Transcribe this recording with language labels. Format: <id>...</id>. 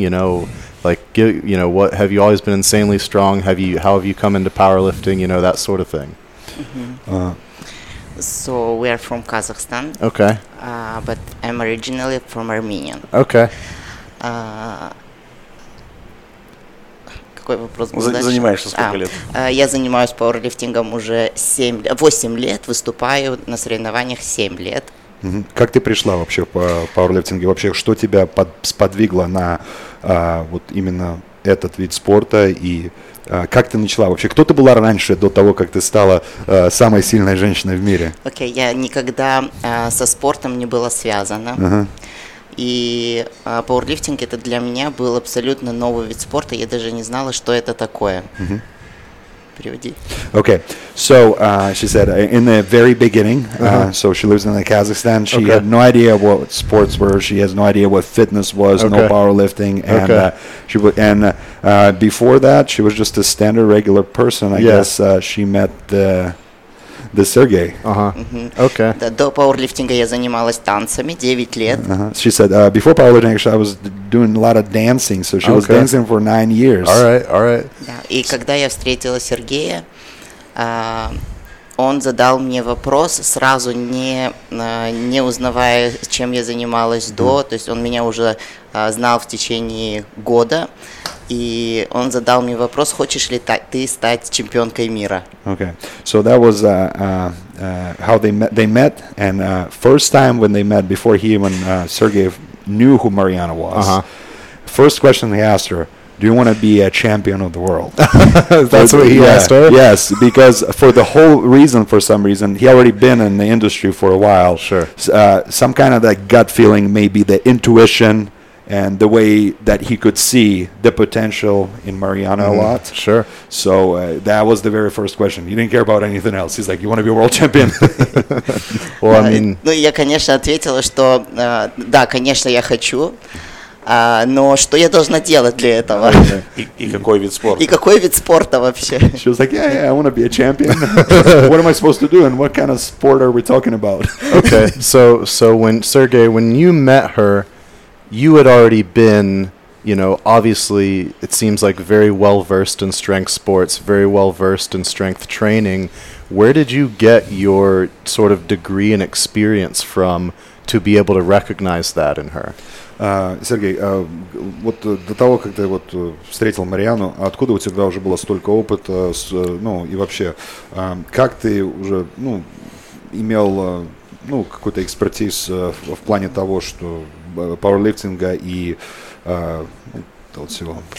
<en>You know, have you always been insanely strong? How have you come into powerlifting? You know, that sort of thing. Mm-hmm. So we are from Kazakhstan. Okay. But I'm originally from Armenia. Okay.</en> <ru>Какой вопрос? Занимаешься сколько лет? Я занимаюсь пауэрлифтингом уже 8 лет, выступаю на соревнованиях 7 лет. Как ты пришла вообще в пауэрлифтинге? Вообще, что тебя сподвигло на вот именно этот вид спорта? И как ты начала вообще? Кто ты была раньше, до того, как ты стала самой сильной женщиной в мире? Окей, я никогда со спортом не была связана. И пауэрлифтинг – это для меня был абсолютно новый вид спорта. Я даже не знала, что это такое.</ru> <en>Okay, so she said in the very beginning, so she lives in Kazakhstan, she had no idea what sports were, she has no idea what fitness was, no powerlifting, and before that, she was just a standard regular person, I guess, she met the Sergey.</en> <ru>До пауэрлифтинга я занималась танцами 9 лет.</ru> <en>She said, before powerlifting, actually, I was doing a lot of dancing, so she was dancing for 9 years. All right, all right.</en> <ru>Да. И когда я встретила Сергея, он задал мне вопрос, сразу не узнавая, чем я занималась до, то есть он меня уже знал в течение года, и он задал мне вопрос, хочешь ли ты стать чемпионкой мира.</ru> <en>Okay, so that was how they met, and first time when they met, before he even, Sergey knew who Mariana was, first question they asked her, do you want to be a champion of the world? That's what he asked her? Yes, because for the whole reason, for some reason, he already been in the industry for a while. Sure. Some kind of that gut feeling, maybe the intuition and the way that he could see the potential in Mariana a lot. Sure. So that was the very first question. He didn't care about anything else. He's like, you want to be a world champion? Well, I mean...</en> <ru>Ну, я, конечно, ответила, что да, конечно, я хочу. Но что я должна делать для этого? И какой вид спорта? И какой вид спорта вообще?</ru> <en>She was like, yeah, yeah, I want to be a champion. What am I supposed to do and what kind of sport are we talking about? Okay, so when Sergey, when you met her, you had already been, you know, obviously it seems like very well versed in strength sports, very well versed in strength training. Where did you get your sort of degree and experience from to be able to recognize that in her?</en> <ru>Сергей, вот до того, как ты вот встретил Мариану, откуда у тебя уже было столько опыта, ну и вообще, как ты уже, ну, имел, ну, какую-то экспертиз в плане того, что пауэрлифтинга и того всего?</ru>